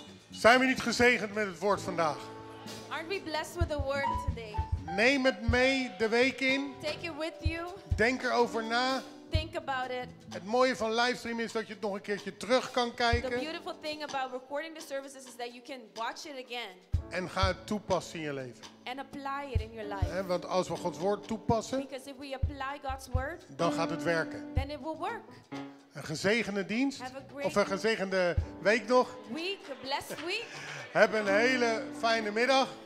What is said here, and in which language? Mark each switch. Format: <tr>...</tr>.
<nl>Zijn we niet gezegend met het woord vandaag?</nl> <en>Aren't we blessed with the word today?</en> <nl>Neem het mee de week in.</nl> <en>Take it with you.</en> <nl>Denk erover na.</nl> <en>Think about it.</en> <nl>Het mooie van livestream is dat je het nog een keertje terug kan kijken.</nl> <en>The beautiful thing about recording the services is that you can watch it again.</en> <nl>En ga het toepassen in je leven.</nl> <en>And apply it in your life.</en> <nl>He, want als we Gods woord toepassen,</nl> <en>because if we apply God's word,</en> <nl>dan gaat het werken.</nl> <en>Then it will work.</en> <nl>Een gezegende dienst.</nl> <en>Have a great</en> <nl>of een gezegende week nog.</nl> <en>Week, a blessed week.</en> <nl>Heb een hele fijne middag.</nl>